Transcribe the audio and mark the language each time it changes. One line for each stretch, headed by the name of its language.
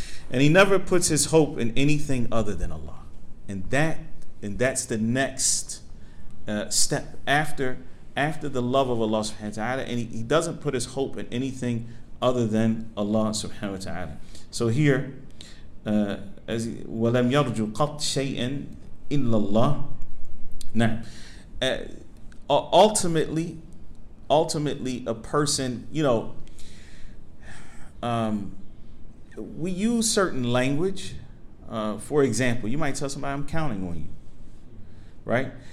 English: And he never puts his hope in anything other than Allah. And that's the next step after the love of Allah subhanahu wa ta'ala. And he doesn't put his hope in anything other than Allah subhanahu wa ta'ala. So here, as
Arabic: وَلَمْ يَرْجُوا قَطْ شَيْئًا إِلَّا اللَّهِ.
English: Now, ultimately, a person, you know, we use certain language. For example, you might tell somebody, I'm counting on you, right?